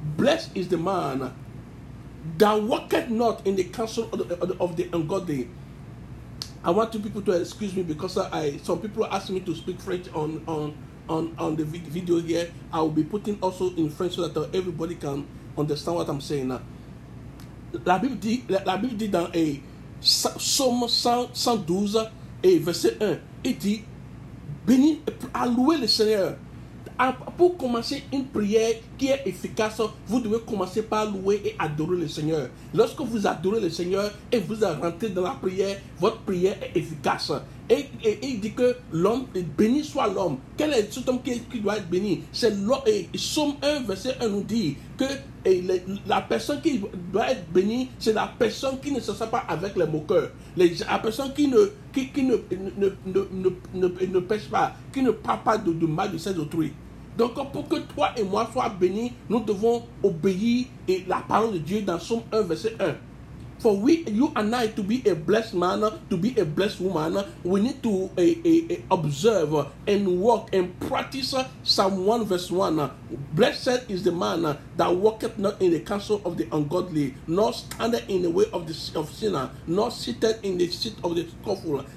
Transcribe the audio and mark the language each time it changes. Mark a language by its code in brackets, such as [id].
[en] Blessed is the man that walketh not in the counsel of the ungodly. I want you people to excuse me, because some people are asking me to speak French on the video here. I will be putting also in French so that everybody can understand what I'm saying. [fr] La Bible dit dans Psalm 112, verset 1, il dit, bénis, à louer le Seigneur. Pour commencer une prière qui est efficace, vous devez commencer par louer et adorer le Seigneur. Lorsque vous adorez le Seigneur et vous rentrez dans la prière, votre prière est efficace. Et il dit que l'homme, béni soit l'homme. Quel est cet homme qui doit être béni? C'est l'homme. Et Psaume 1, verset 1 nous dit que la personne qui doit être bénie, c'est la personne qui ne se sent pas avec les moqueurs. La personne qui ne pêche pas, qui ne parle pas de mal de ses autrui. Donc pour que toi et moi soyons bénis, nous devons obéir et la parole de Dieu dans Psaume 1, verset 1. [en] for we, you and I, to be a blessed man, to be a blessed woman, we need to observe and walk and practice Psalm 1 verse 1. Blessed is the man that walketh not in the counsel of the ungodly, nor standeth in the way of the of sinner, nor sitteth in the seat of the scoffer.